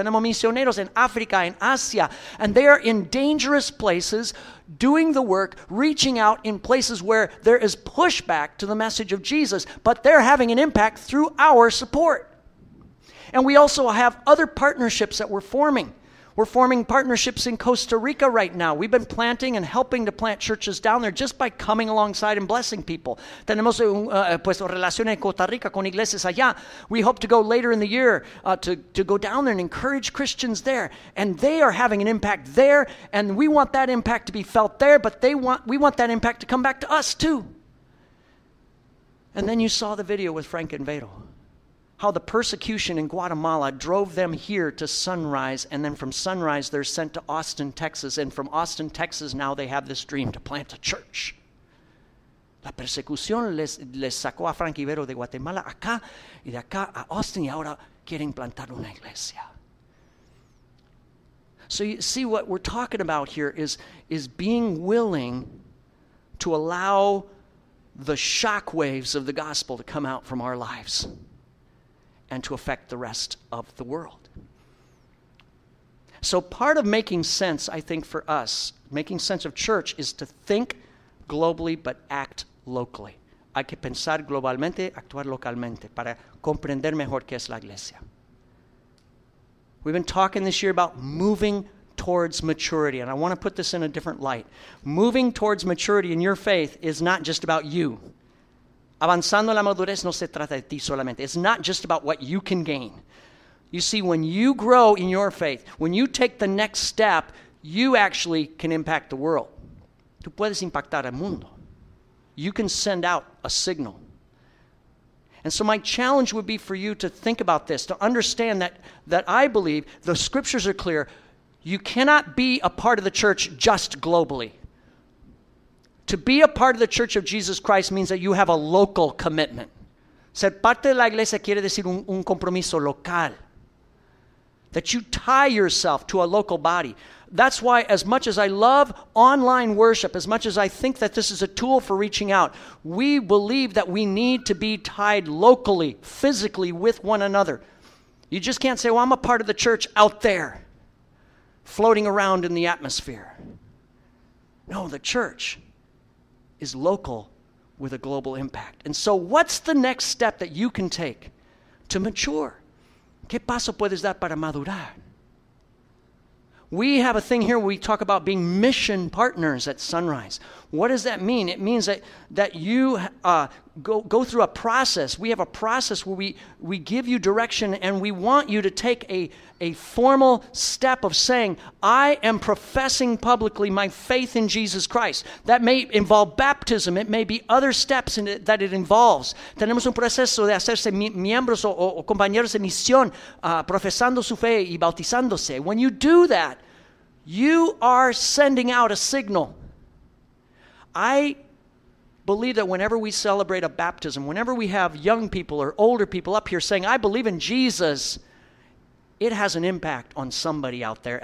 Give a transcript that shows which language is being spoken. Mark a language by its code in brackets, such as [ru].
[es] Tenemos misioneros en África, en Asia, [en] and they are in dangerous places, doing the work, reaching out in places where there is pushback to the message of Jesus, but they're having an impact through our support. And we also have other partnerships that we're forming. We're forming partnerships in Costa Rica right now. We've been planting and helping to plant churches down there just by coming alongside and blessing people. [es] Tenemos relaciones en Costa Rica con iglesias allá. [en] We hope to go later in the year to go down there and encourage Christians there. And they are having an impact there, and we want that impact to be felt there, but we want that impact to come back to us too. And then you saw the video with Frank and Vero. How the persecution in Guatemala drove them here to Sunrise, and then from Sunrise they're sent to Austin, Texas, and from Austin, Texas, now they have this dream to plant a church. [es] La persecución les sacó a Frank Ibero de Guatemala acá, y de acá a Austin, y ahora quieren plantar una iglesia. [en] So you see, what we're talking about here is being willing to allow the shockwaves of the gospel to come out from our lives and to affect the rest of the world. So part of making sense, I think, for us, making sense of church, is to think globally but act locally. [es] Hay que pensar globalmente, actuar localmente, para comprender mejor qué es la iglesia. [en] We've been talking this year about moving towards maturity, and I want to put this in a different light. Moving towards maturity in your faith is not just about you. [es] Avanzando la madurez no se trata de ti solamente. [en] It's not just about what you can gain. You see, when you grow in your faith, when you take the next step, you actually can impact the world. [es] Tú puedes impactar el mundo. [en] You can send out a signal. And so my challenge would be for you to think about this, to understand that I believe the scriptures are clear. You cannot be a part of the church just globally. To be a part of the Church of Jesus Christ means that you have a local commitment. [es] Ser parte de la iglesia quiere decir un compromiso local. [en] That you tie yourself to a local body. That's why, as much as I love online worship, as much as I think that this is a tool for reaching out, we believe that we need to be tied locally, physically, with one another. You just can't say, well, I'm a part of the church out there, floating around in the atmosphere. No, the church is local with a global impact. And so what's the next step that you can take to mature? [es] ¿Qué paso puedes dar para madurar? [en] We have a thing here where we talk about being mission partners at Sunrise. What does that mean? It means that you go through a process. We have a process where we give you direction, and we want you to take a formal step of saying, I am professing publicly my faith in Jesus Christ. That may involve baptism. It may be other steps in it that it involves. [es] Tenemos un proceso de hacerse miembros o compañeros de misión profesando su fe y bautizándose. [en] When you do that, you are sending out a signal. I believe that whenever we celebrate a baptism, whenever we have young people or older people up here saying, I believe in Jesus, it has an impact on somebody out there.